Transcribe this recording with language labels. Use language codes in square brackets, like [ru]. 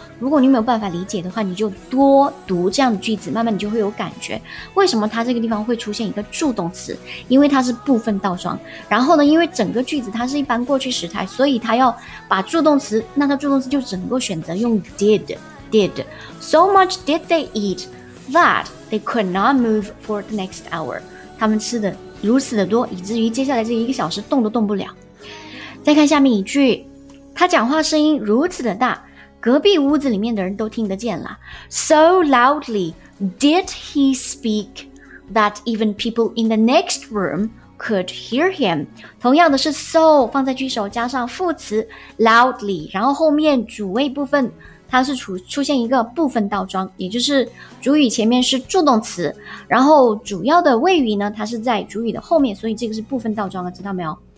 [zh] 如果你没有办法理解的话，你就多读这样的句子，慢慢你就会有感觉为什么他这个地方会出现一个助动词，因为它是部分倒装，然后呢因为整个句子它是一般过去时态，所以他要把助动词，那他助动词就只能够选择用 did， [en] so much did they eatThat they could not move for the next hour， [zh] 他们吃的如此的多，以至于接下来这一个小时动都动不了。再看下面一句，他讲话声音如此的大，隔壁屋子里面的人都听得见了。 [en] So loudly did he speak that even people in the next room could hear him。 [zh] 同样的是 so 放在句首加上副词 loudly， 然后后面主谓部分它是出现一个部分倒装，也就是主语前面是助动词，然后主要的谓语呢它是在主语的后面，所以这个是部分倒装了，知道没有？